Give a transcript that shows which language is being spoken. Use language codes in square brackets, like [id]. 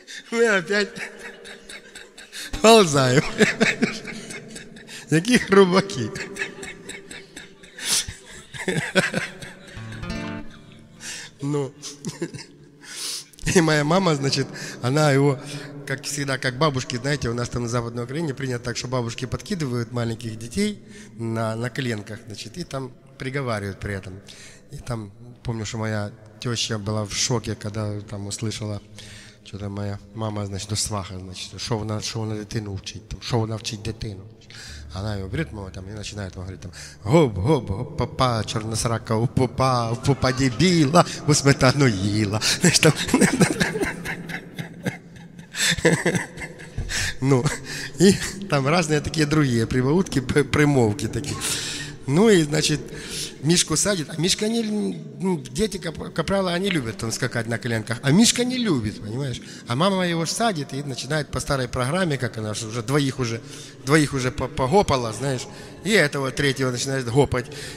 [uk] Ми опять ползаємо. Які хрубаки. Ну. І моя мама, значить, вона його. [ru] Как всегда, как бабушки, знаете, у нас там на Западной Украине принято так, что бабушки подкидывают маленьких детей на коленках, значит, и там приговаривают при этом. И там, помню, что моя теща была в шоке, когда там услышала, что-то моя мама, значит, сваха, значит, что [uk] вона дитину вчить, [ru] там, что вона вчить дитину. Она его берет, мол, там, и начинает говорить, там, гоп-гоп, гоп-папа, черносрака, у-папа, у-папа дебила, у сметану їла. Значит, там... [uk] Ну, і там різні такі другі прибаутки, примовки такі. Ну і, значить, Мішку садять, а Мішка не, ну, діти, як правило, вони люблять там скакати на коленках, а Мішка не любить, розумієш? А мама його садить і починає по старій програмі, як вона ж вже двоїх уже погопала, знаєш, і цього третього починає гопати.